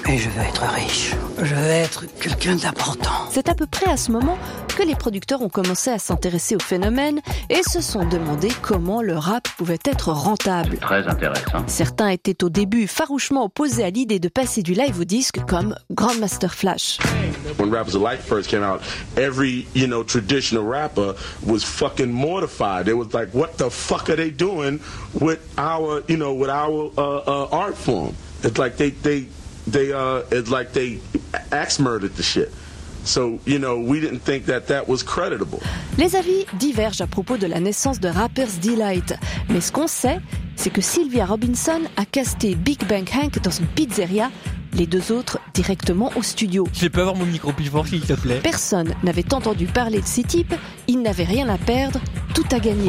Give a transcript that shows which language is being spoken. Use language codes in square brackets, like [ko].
[fr] Et je veux être riche. Je veux être quelqu'un d'important. C'est à peu près à ce moment que les producteurs ont commencé à s'intéresser au phénomène et se sont demandé comment le rap pouvait être rentable. Très intéressant. Certains étaient au début farouchement opposés à l'idée de passer du live au disque comme Grandmaster Flash. [en] When Rap Was a Life first came out, every, you know, traditional rapper was fucking mortified. It was like, what the fuck are they doing with our, you know, with our art form? It's like they axe-murdered the shit. So, you know, we didn't think that that was creditable. [fr] Les avis divergent à propos de la naissance de Rapper's Delight. Mais ce qu'on sait, c'est que Sylvia Robinson a casté Big Bang Hank dans une pizzeria, les deux autres directement au studio. Je peux avoir mon micro plus fort, s'il te plaît. Personne n'avait entendu parler de ces types, ils n'avaient rien à perdre, tout à gagner.